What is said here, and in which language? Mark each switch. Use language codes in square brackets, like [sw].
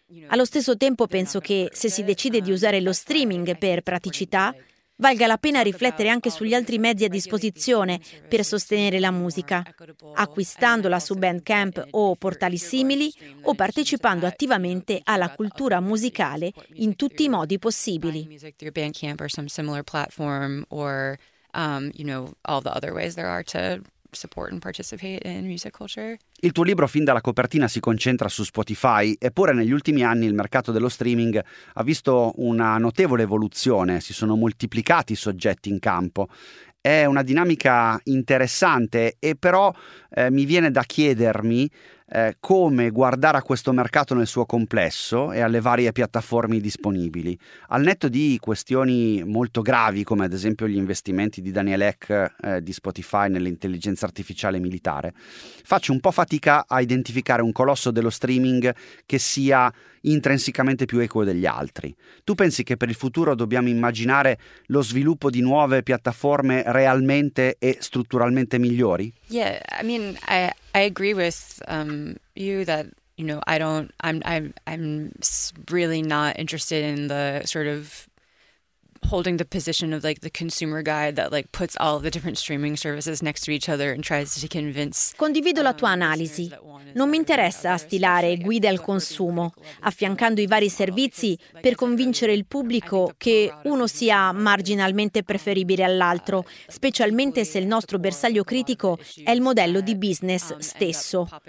[it] Allo stesso tempo penso che se si decide di usare lo streaming per praticità, valga la pena riflettere anche sugli altri mezzi a disposizione per sostenere la musica, acquistandola su Bandcamp o portali simili o partecipando attivamente alla cultura musicale in tutti i modi possibili. [en] Bandcamp or some similar platform or you know all the other ways there are to support and participate in music culture. [it] Il tuo libro fin dalla copertina si concentra su Spotify, eppure negli ultimi anni il mercato dello streaming ha visto una notevole evoluzione, si sono moltiplicati i soggetti in campo. È una dinamica interessante e però mi viene da chiedermi come guardare a questo mercato nel suo complesso e alle varie piattaforme disponibili. Al netto di questioni molto gravi, come ad esempio gli investimenti di Daniel Ek di Spotify nell'intelligenza artificiale militare, faccio un po' fatica a identificare un colosso dello streaming che sia intrinsecamente più equo degli altri. Tu pensi che per il futuro dobbiamo immaginare lo sviluppo di nuove piattaforme realmente e strutturalmente migliori? [en] Yeah, I mean, I agree with you that, you know, I'm really not interested in the sort of holding the position of like the consumer guy that like puts all the different streaming services next to each other and tries to convince. [it] Condivido la tua analisi. Non mi interessa stilare guide al consumo, affiancando i vari servizi per convincere il pubblico che uno sia marginalmente preferibile all'altro, specialmente se il nostro bersaglio critico è il modello di business stesso.